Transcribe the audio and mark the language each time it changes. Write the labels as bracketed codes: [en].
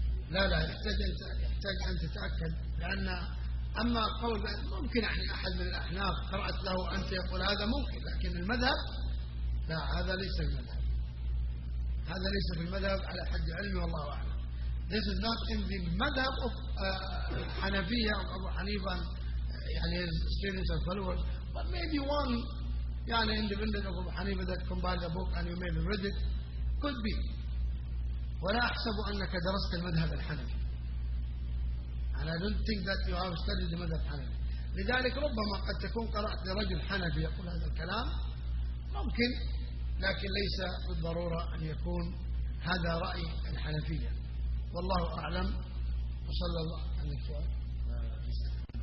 [ar] لا لا، يحتاج أن تتأكد، لأن أما قول ممكن يعني أحد من الأحناف قرأت له أنت يقول هذا ممكن، لكن المذهب لا، هذا ليس في المذهب، هذا ليس في المذهب على حد علمي والله أعلم. [en] This is not in the madhab of Hanafiya or Abu Hanifa, يعني his students and followers, but maybe one يعني independent of Abu Hanifa that compiled a book and you may have read it, could be. [ar] ولا أحسب أنك درست المذهب الحنفي. [en] And I don't think that you have studied the madhab Hanafi. [ar] لذلك ربما قد تكون قرأت لرجل حنفي يقول هذا الكلام، ممكن، لكن ليس بالضرورة أن يكون هذا رأي الحنفية. والله أعلم، وصلى الله على سيدنا.